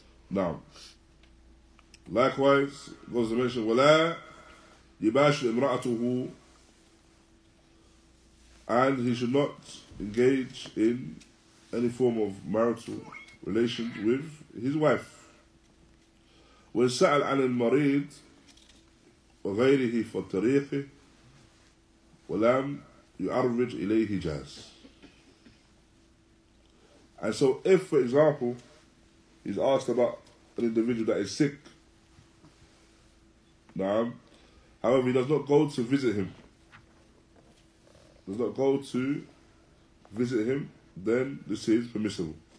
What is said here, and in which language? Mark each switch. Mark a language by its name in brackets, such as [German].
[English] Now, likewise, goes to mention, [Arabic] وَلَا يَبَاشِرْ إِمْرَأَتُهُ, [English] and he should not engage in any form of marital relations with his wife. When [Arabic] سأل عن المريض وغيره في الطريق ولم يعرج إليه جاز. [English] And so if, for example, he's asked about an individual that is sick, نعم, however, he does not go to visit him, then this is permissible.